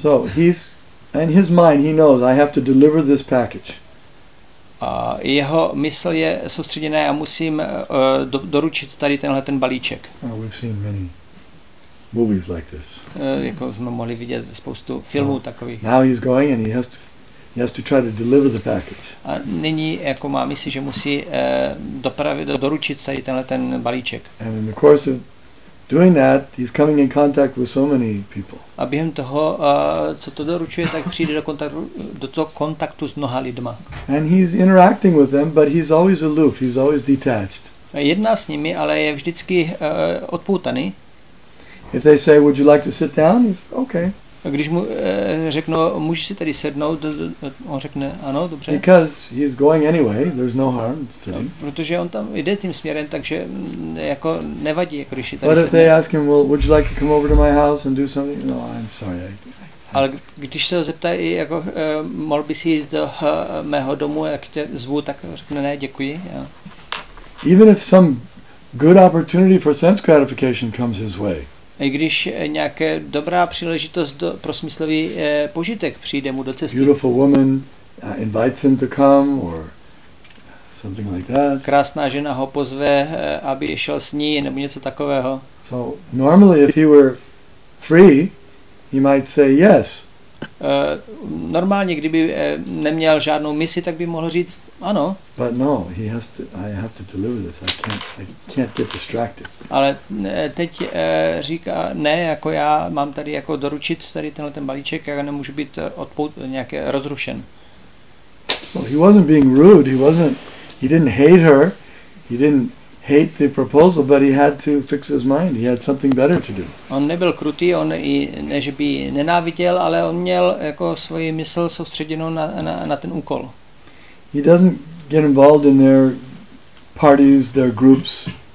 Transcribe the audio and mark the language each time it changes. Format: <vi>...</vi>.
<en>So he's in his mind, he knows I have to deliver this package.</en> <cs>Jeho mysl je soustředěná a musím doručit tady tenhle ten balíček.</cs> <en>Oh, we've seen many movies like this.</en> <cs>Jako jsme mohli vidět spoustu filmů takových.</cs> <en>Now he's going and he has to try to deliver the package.</en> <cs>A nyní jako má mysl, že musí dopravit, doručit tady tenhle ten balíček.</cs> <en>And in the course of doing that, he's coming in contact with so many people.</en> <cs>A během toho, co to doručuje, tak přijde do kontaktu s mnoha lidma.</cs> <en>And he's interacting with them, but he's always aloof, he's always detached.</en> <cs>Jedná s nimi, ale je vždycky odpoutaný.</cs> <en>If they say, would you like to sit down? He's okay.</en> <cs>A když mu řeknou, můžeš si tady sednout, on řekne, ano, dobře.</cs> <en>Because he's going anyway, there's no harm sitting.</en> <cs>Protože on tam jde tím směrem, takže jako nevadí, jako když si tady sedne.</cs> <en>But if they ask him, well, would you like to come over to my house and do something? No, I'm sorry.</en> <cs>Ale když se ho zeptají, jako mohl bys jít do mého domu, jak tě zvu, tak řekne, ne, děkuji.</cs> <en>Even if some good opportunity for sense gratification comes his way,</en> <cs>i když nějaká dobrá příležitost pro smyslový požitek přijde mu do cesty.</cs> <en>Beautiful woman invites him to come or something like that.</en> <cs>Krásná žena ho pozve, aby šel s ní nebo něco takového.</cs> <en>So normally if he were free, he might say yes.</en> <cs>normálně, kdyby neměl žádnou misi, tak by mohl říct ano.</cs> <en>But no, he has to, I have to deliver this. I can't get distracted.</en> <cs>Ale teď říká ne, jako já mám tady jako doručit tady tenhle ten balíček, já nemůžu být nějaké rozrušen.</cs> <en>So he wasn't being rude, he didn't hate the proposal, but he had to fix his mind. He had something better to do.</en> <cs>On nebyl krutý, on i než by nenáviděl, ale on měl jako svoji mysl soustředěnou na ten úkol.</cs> <en>He doesn't get involved in their parties, their groups.</en>